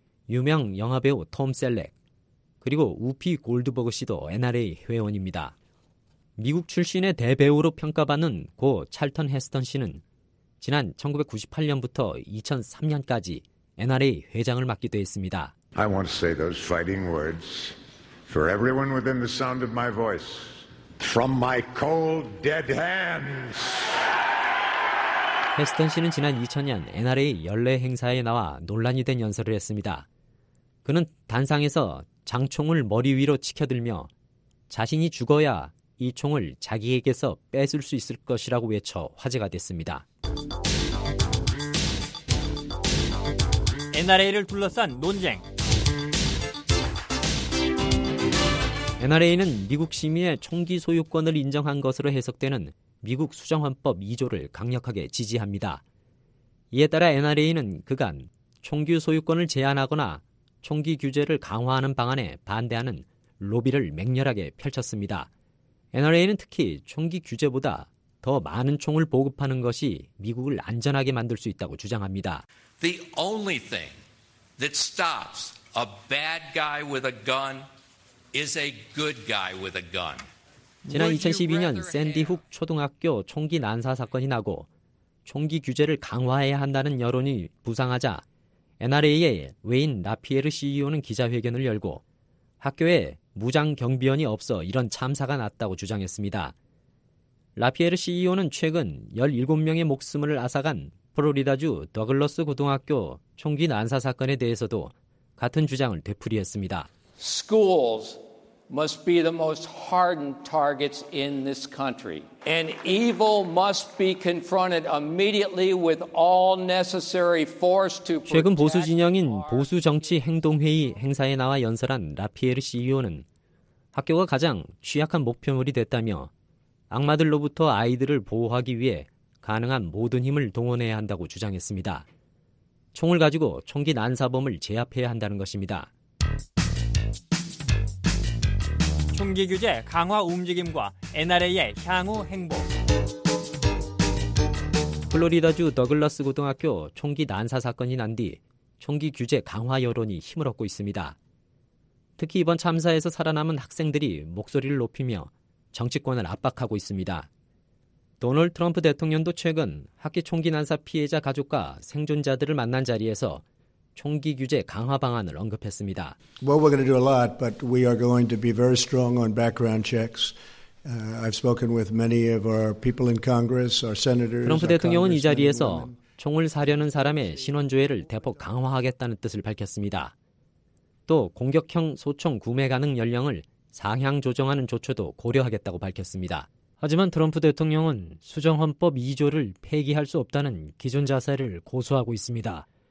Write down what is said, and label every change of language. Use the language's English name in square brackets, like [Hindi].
[Korean] 유명 영화배우 톰 셀렉, 그리고 우피 골드버그 씨도 NRA 회원입니다. 미국 출신의 대배우로 평가받는 고 찰턴 헤스턴 씨는 지난 1998년부터 2003년까지 NRA 회장을 맡기도 했습니다. [English] I want to say those fighting words for everyone within the sound of my voice from my cold dead hands. [Korean] 헤스턴 씨는 지난 2000년 NRA 연례 행사에 나와 논란이 된 연설을 했습니다. 그는 단상에서 장총을 머리 위로 치켜들며 자신이 죽어야 이 총을 자기에게서 뺏을 수 있을 것이라고 외쳐 화제가 됐습니다. NRA를 둘러싼 논쟁. NRA는 미국 시민의 총기 소유권을 인정한 것으로 해석되는 미국 수정헌법 2조를 강력하게 지지합니다. 이에 따라 NRA는 그간 총기 소유권을 제한하거나 총기 규제를 강화하는 방안에 반대하는 로비를 맹렬하게 펼쳤습니다. NRA는 특히 총기 규제보다 더 많은 총을 보급하는 것이 미국을 안전하게 만들 수 있다고 주장합니다. [English] The only thing that stops a bad guy with a gun is a good guy with a gun. [Korean] 지난 2012년 샌디 훅 초등학교 총기 난사 사건이 나고 총기 규제를 강화해야 한다는 여론이 부상하자 NRA의 웨인 라피에르 CEO는 기자회견을 열고 학교에 무장 경비원이 없어 이런 참사가 났다고 주장했습니다. 라피에르 CEO는 최근 17명의 목숨을 앗아간 플로리다주 더글러스 고등학교 총기 난사 사건에 대해서도 같은 주장을 되풀이했습니다. [English] Schools must be the most hardened targets in this country. And evil must be confronted immediately with all necessary force to protect. [Korean] 최근 보수 진영인 보수 정치 행동회의 행사에 나와 연설한 라피에르 CEO는 학교가 가장 취약한 목표물이 됐다며 악마들로부터 아이들을 보호하기 위해 가능한 모든 힘을 동원해야 한다고 주장했습니다. 총을 가지고 총기 난사범을 제압해야 한다는 것입니다. 총기 규제 강화 움직임과 NRA의 향후 행보. 플로리다주 더글러스 고등학교 총기 난사 사건이 난 뒤 총기 규제 강화 여론이 힘을 얻고 있습니다. 특히 이번 참사에서 살아남은 학생들이 목소리를 높이며 정치권을 압박하고 있습니다. 도널드 트럼프 대통령도 최근 학기 총기 난사 피해자 가족과 생존자들을 만난 자리에서 총기 규제 강화 방안을 언급했습니다. [English] Well, we're going to do a lot, but we are going to be very strong on background checks. I've spoken with many of our people in Congress, our senators. [Korean] 트럼프 대통령은 이 자리에서 총을 사려는 사람의 신원 조회를 대폭 강화하겠다는 뜻을 밝혔습니다. 또 공격형 소총 구매 가능 연령을 상향 조정하는 조처도 고려하겠다고 밝혔습니다. 하지만 트럼프 대통령은 수정헌법 2조를 폐기할 수 없다는 기존 자세를 고수하고 있습니다.